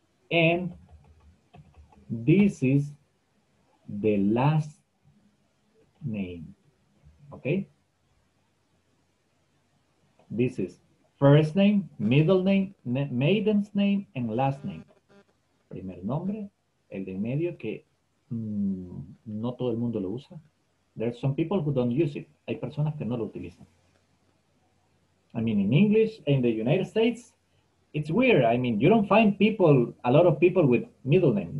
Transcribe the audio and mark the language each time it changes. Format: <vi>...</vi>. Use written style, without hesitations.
<en>And this is the last name, okay? This is first name, middle name, maiden's name, and last name.</en> <es>Primer nombre, el de en medio, que no todo el mundo lo usa.</es> <en>There are some people who don't use it.</en> <es>Hay personas que no lo utilizan.</es> <en>I mean, in English, in the United States, it's weird. I mean, you don't find people, a lot of people with middle name.</en>